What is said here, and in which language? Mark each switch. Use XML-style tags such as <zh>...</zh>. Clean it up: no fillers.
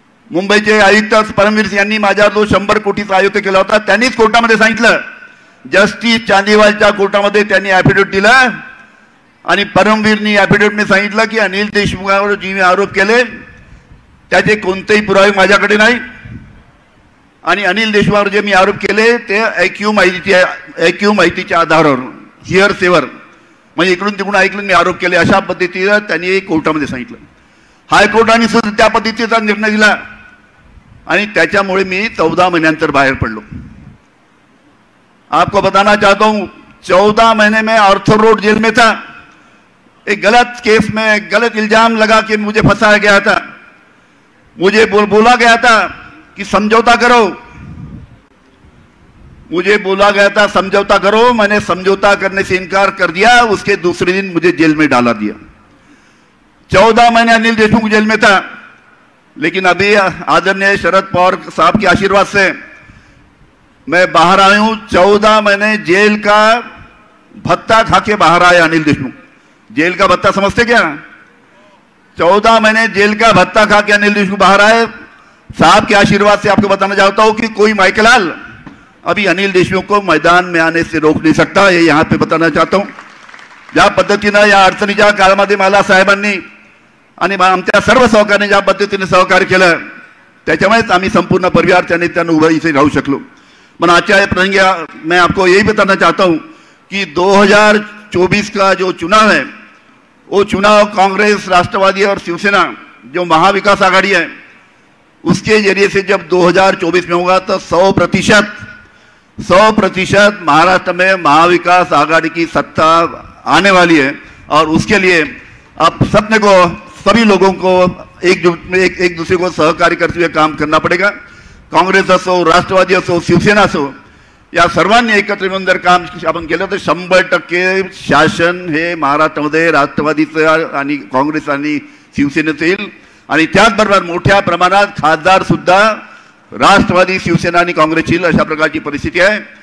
<mr>मुंबईचे आयुक्त परमवीर सिंग यांनी माझ्यावर जो 100 कोटीचा आयुक्त केला होता त्यांनीच कोर्टामध्ये सांगितलं, जस्टिस चांदीवालच्या कोर्टामध्ये त्यांनी ऍफिडेविट दिला आणि परमवीरनी ऍफिडेविटने सांगितलं की अनिल देशमुखांवर जी मी आरोप केले त्याचे कोणतेही पुरावे माझ्याकडे नाही आणि अनिल देशमुखांवर जे मी आरोप केले ते ऐक्यू माहितीच्या आधारावर हिअर सेवर म्हणजे इकडून तिकडून ऐकलं मी आरोप केले अशा पद्धतीने त्यांनी कोर्टामध्ये सांगितलं। हायकोर्टाने सुद्धा त्या पद्धतीचा निर्णय दिला आणि त्याच्यामुळे मी 14 महिन्यांतर बाहेर पडलो।</mr> <hi>आपको बताना चाहता हूं 14 महीने में आर्थर रोड जेल में था, एक गलत केस में गलत इल्जाम लगा के मुझे फंसाया गया था, मुझे बोला गया था कि समझौता करो, मुझे बोला गया था समझौता करो, मैंने समझौता करने से इनकार कर दिया, उसके दूसरे दिन मुझे जेल में डाला दिया। 14 महीने अनिल देशमुख जेल में था, लेकिन अभी आदरणीय शरद पवार साहब के आशीर्वाद से मैं बाहर आया हूं। 14 महीने जेल का भत्ता खा के बाहर आया अनिल देशमुख, जेल का भत्ता समझते क्या, 14 महीने जेल का भत्ता खा के अनिल देशमुख बाहर आए। साहब के आशीर्वाद से आपको बताना चाहता हूं कि कोई माइकलाल अभी अनिल देशमुख को मैदान में आने से रोक नहीं सकता, ये यहां पे बताना चाहता हूं।</hi> <mr>ज्या पद्धतीने या अडचणीच्या काळामध्ये मला साहेबांनी आणि आमच्या सर्व सहकाऱ्यांनी ज्या पद्धतीने सहकार्य केलं त्याच्यामुळेच आम्ही संपूर्ण परिवार त्यांनी उभं इथे राहू शकलो।</mr> <hi>मन आचार्य प्रसंगी मैं आपको यही बताना चाहता हूं कि 2024 का जो चुनाव है वो चुनाव कांग्रेस राष्ट्रवादी और शिवसेना जो महाविकास आघाड़ी है उसके जरिए से जब 2024 में होगा तो 100% महाराष्ट्र में महाविकास आघाड़ी की सत्ता आने वाली है और उसके लिए आप सपने को सभी लोगों को एकजुट में एक दूसरे को सहकार्य करते हुए काम करना पड़ेगा।</hi> <mr>काँग्रेस असो राष्ट्रवादी असो शिवसेना असो या सर्वांनी एकत्र येऊन जर काम आपण केलं तर 100% शासन हे महाराष्ट्रामध्ये राष्ट्रवादीचं आणि काँग्रेस आणि शिवसेनेचं येईल आणि त्याचबरोबर मोठ्या प्रमाणात खासदारसुद्धा राष्ट्रवादी शिवसेना आणि काँग्रेस येईल अशा प्रकारची परिस्थिती आहे।</mr>